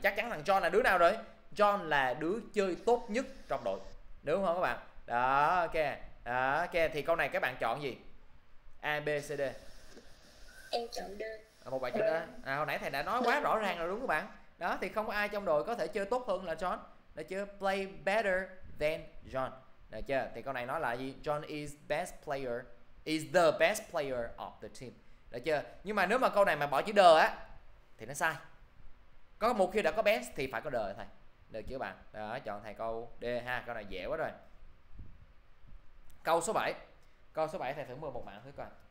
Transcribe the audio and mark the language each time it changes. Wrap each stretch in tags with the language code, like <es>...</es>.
<vi>Chắc chắn thằng John là đứa nào rồi? John là đứa chơi tốt nhất trong đội. Đúng không các bạn? Đó, ok. Đó, ok. Thì câu này các bạn chọn gì? A, B, C, D. Em chọn D. Một bài chữ D. À, hồi nãy thầy đã nói quá rõ ràng rồi đúng không các bạn? Đó thì không có ai trong đội có thể chơi tốt hơn là John. Được chưa?</vi> <en>Play better than John.</en> <vi>Được chưa? Thì câu này nói là gì?</vi> <en>John is best player, is the best player of the team.</en> <vi>Được chưa? Nhưng mà nếu mà câu này mà bỏ chữ the á thì nó sai. Có một khi đã có best thì phải có the thôi. Được chưa bạn? Đó, chọn thầy câu D ha, câu này dễ quá rồi. Câu số 7. Câu số 7 thầy thử mời một bạn thử coi.</vi>